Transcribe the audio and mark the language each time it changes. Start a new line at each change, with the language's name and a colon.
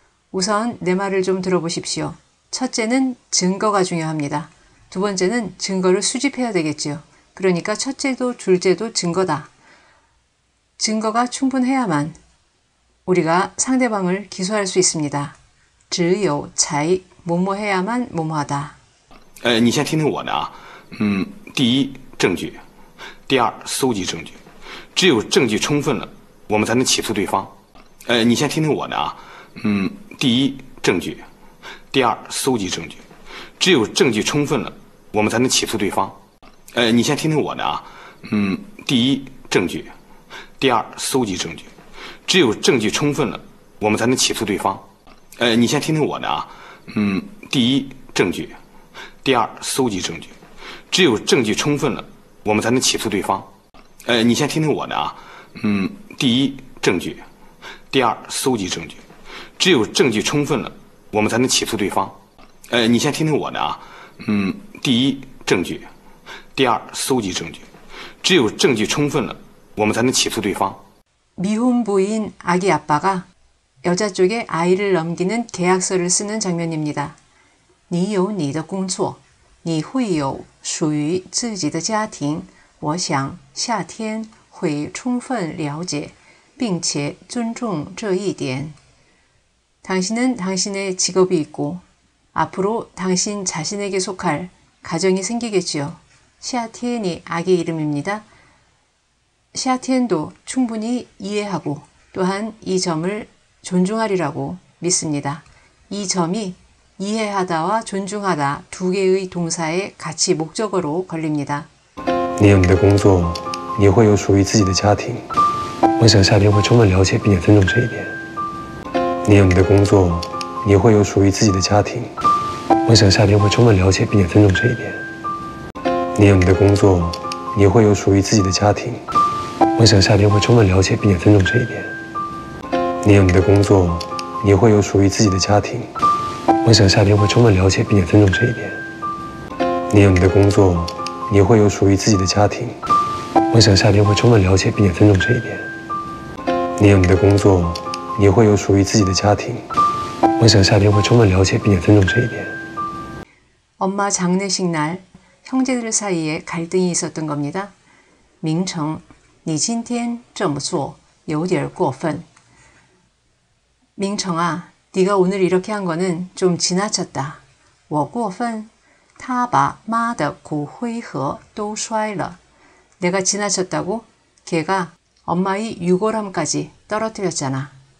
Korean: 우선 내 말을 좀 들어보십시오. 첫째는 증거가 중요합니다. 두 번째는 증거를 수집해야 되겠지요. 그러니까 첫째도 둘째도 증거다. 증거가 충분해야만 우리가 상대방을 기소할 수 있습니다. 只有才 뭐뭐해야만 뭐뭐하다.
Chinese: 你先听听我的啊，第一证据，第二搜集证据，只有证据充分了，我们才能起诉对方。你先听听我的啊，第一证据，第二搜集证据，只有证据充分了，我们才能起诉对方。你先听听我的啊，第一证据，第二搜集证据，只有证据充分了，我们才能起诉对方。你先听听我的啊，第一证据。第二，搜集证据，只有证据充分了，我们才能起诉对方。你先听听我的啊，第一，证据；第二，搜集证据，只有证据充分了，我们才能起诉对方。你先听听我的啊，第一，证据；第二，搜集证据，只有证据充分了，我们才能起诉对方。
Korean: 미혼 부인 아기 아빠가 여자 쪽에 아이를 넘기는 계약서를 쓰는 장면입니다.
Chinese: 你有你的工作。你会有属于自己的家庭，我想夏天会充分了解，并且尊重这一点。
Korean: 당신은 당신의 직업이 있고, 앞으로 당신 자신에게 속할 가정이 생기겠지요. 샤티엔이 아기 이름입니다. 샤티엔도 충분히 이해하고, 또한 이 점을 존중하리라고 믿습니다. 이 점이 이해하다와 존중하다 두 개의 동사에 같이 목적어로 걸립니다.
Chinese: 你有你的工作，你会有属于自己的家庭。我想夏天会充分了解并且尊重这一点。你有你的工作，你会有属于自己的家庭。我想夏天会充分了解并且尊重这一点。你有你的工作，你会有属于自己的家庭。我想夏天会充分了解并且尊重这一点。你有你的工作，你会有属于自己的家庭。我想夏天会充分了解并且尊重这一点。你有你的工作，你会有属于自己的家庭。我想夏天会充分了解并且尊重这一点。你有你的工作，你会有属于自己的家庭。我想夏天会充分了解并且尊重这一点。
Korean: 엄마 장례식 날 형제들 사이에 갈등이 있었던 겁니다.
Chinese: 明成, 你今天这么做有点过分。
Korean: 明成아, 네가 오늘 이렇게 한 거는 좀 지나쳤다.
Chinese: 我过分. 他把妈的骨灰盒都摔了.
Korean: 내가 지나쳤다고? 걔가 엄마의 유골함까지 떨어뜨렸잖아.